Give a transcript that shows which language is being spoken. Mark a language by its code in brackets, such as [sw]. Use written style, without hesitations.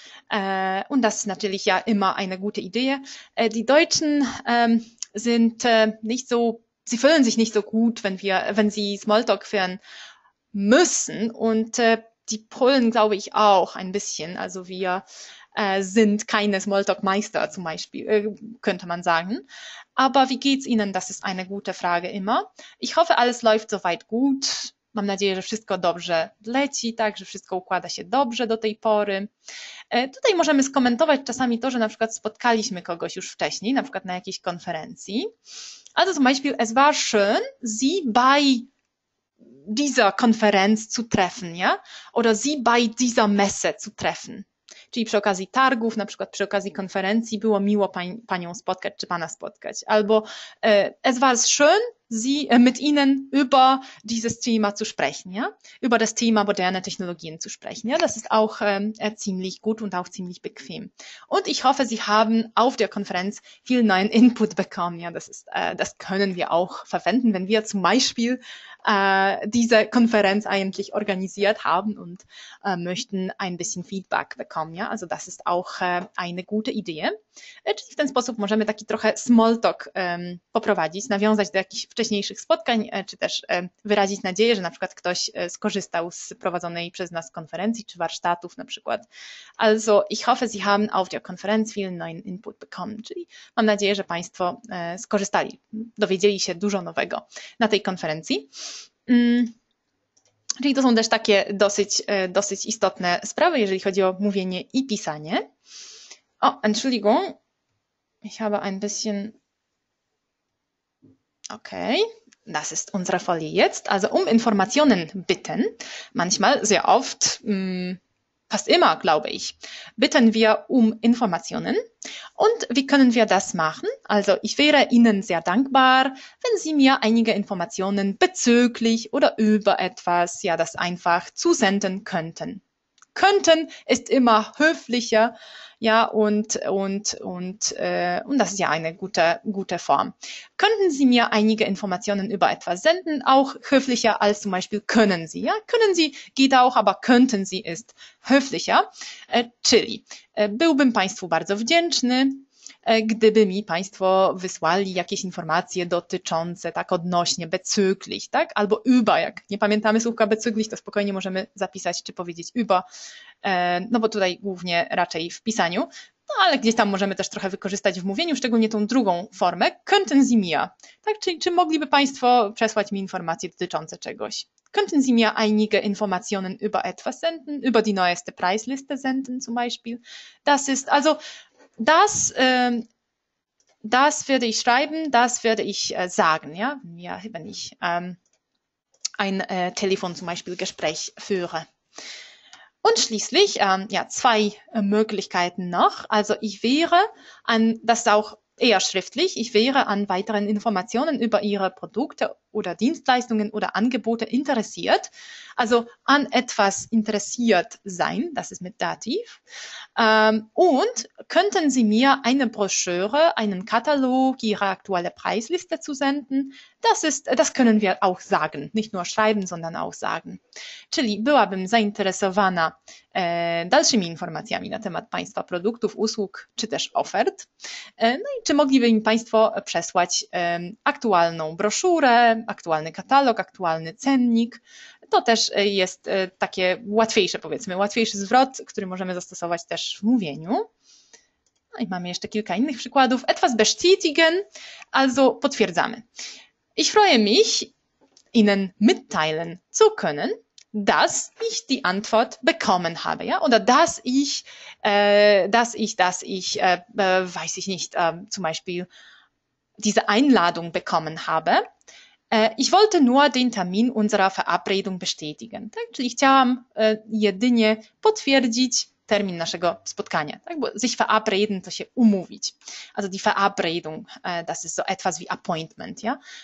[de] Und das ist natürlich ja immer eine gute Idee. Die Deutschen sind nicht so, sie fühlen sich nicht so gut, wenn sie Smalltalk führen müssen und die Polen, glaube ich, auch ein bisschen. Also wir sind keine Smalltalk-Meister zum Beispiel, könnte man sagen. Aber wie geht's Ihnen? Das ist eine gute Frage immer. Ich hoffe, alles läuft soweit gut. [pl] Mam nadzieję, że wszystko dobrze leci, tak, że wszystko układa się dobrze do tej pory. Tutaj możemy skomentować czasami to, że na przykład spotkaliśmy kogoś już wcześniej, na przykład na jakiejś konferencji. [de] Also zum Beispiel, es war schön, Sie bei dieser Konferenz zu treffen, ja? Oder Sie bei dieser Messe zu treffen. [pl] Czyli przy okazji targów, na przykład przy okazji konferencji, było miło panią spotkać, czy pana spotkać. Albo [de] es war schön, Sie mit Ihnen über dieses Thema zu sprechen, ja? Über das Thema moderne Technologien zu sprechen, ja? Das ist auch ziemlich gut und auch ziemlich bequem. Und ich hoffe, Sie haben auf der Konferenz viel neuen Input bekommen, ja? Das können wir auch verwenden, wenn wir zum Beispiel diese Konferenz eigentlich organisiert haben und möchten ein bisschen Feedback bekommen, ja? Also das ist auch eine gute Idee. [pl] Czyli w ten sposób możemy taki trochę small talk poprowadzić, nawiązać do jakichś wcześniejszych spotkań, czy też wyrazić nadzieję, że na przykład ktoś skorzystał z prowadzonej przez nas konferencji czy warsztatów na przykład. [de] Also ich hoffe, Sie haben auf der Konferenz viel neuen Input bekommen. [pl] Czyli mam nadzieję, że Państwo skorzystali, dowiedzieli się dużo nowego na tej konferencji. Czyli to są też takie dosyć istotne sprawy, jeżeli chodzi o mówienie i pisanie. [de] O, Entschuldigung, ich habe ein bisschen... Okay, das ist unsere Folie jetzt. Also um Informationen bitten, manchmal, sehr oft, fast immer, glaube ich, bitten wir um Informationen. Und wie können wir das machen? Also ich wäre Ihnen sehr dankbar, wenn Sie mir einige Informationen bezüglich oder über etwas, ja, das einfach zusenden könnten. Könnten ist immer höflicher, ja, und das ist ja eine gute Form. Könnten Sie mir einige Informationen über etwas senden, auch höflicher als zum Beispiel können Sie, ja? Können Sie geht auch, aber könnten Sie ist höflicher. [pl] Czyli byłbym Państwu bardzo wdzięczny, gdyby mi Państwo wysłali jakieś informacje dotyczące, tak, odnośnie, bezüglich, tak, albo über, jak nie pamiętamy słówka bezüglich, to spokojnie możemy zapisać czy powiedzieć über, no bo tutaj głównie raczej w pisaniu, no ale gdzieś tam możemy też trochę wykorzystać w mówieniu, szczególnie tą drugą formę, [de] könnten Sie mir, [pl] tak, czyli czy mogliby Państwo przesłać mi informacje dotyczące czegoś. [de] Könnten Sie mir einige Informationen über etwas senden, über die neueste Preisliste senden zum Beispiel. Das ist, also Das würde ich schreiben, das würde ich sagen, ja, wenn ich ein Telefon zum Beispiel Gespräch führe. Und schließlich, ja, zwei Möglichkeiten noch. Also ich wäre an, das ist auch eher schriftlich, ich wäre an weiteren Informationen über Ihre Produkte oder Dienstleistungen oder Angebote interessiert. Also an etwas interessiert sein, das ist mit Dativ. Und könnten Sie mir eine Broschüre, einen Katalog, Ihre aktuelle Preisliste zusenden? Das können wir auch sagen, nicht nur schreiben, sondern auch sagen. [pl] Czyli byłabym zainteresowana dalszymi informacjami na temat Państwa produktów, usług czy też ofert. No i czy mogliby mi Państwo przesłać aktualną broszurę, aktualny katalog, aktualny cennik? To też jest takie łatwiejsze, powiedzmy, łatwiejszy zwrot, który możemy zastosować też w mówieniu. No i mamy jeszcze kilka innych przykładów. [de] Etwas bestätigen, also [pl] potwierdzamy. [de] Ich freue mich, Ihnen mitteilen zu können, dass ich die Antwort bekommen habe, ja, oder dass ich, weiß ich nicht, zum Beispiel diese Einladung bekommen habe. Ich wollte nur den Termin unserer Verabredung bestätigen. [pl] Tak? Czyli chciałam jedynie potwierdzić termin naszego spotkania. Tak? Bo [de] sich verabreden, [pl] to się umówić. [de] Also die Verabredung, das ist so etwas wie Appointment. Ja?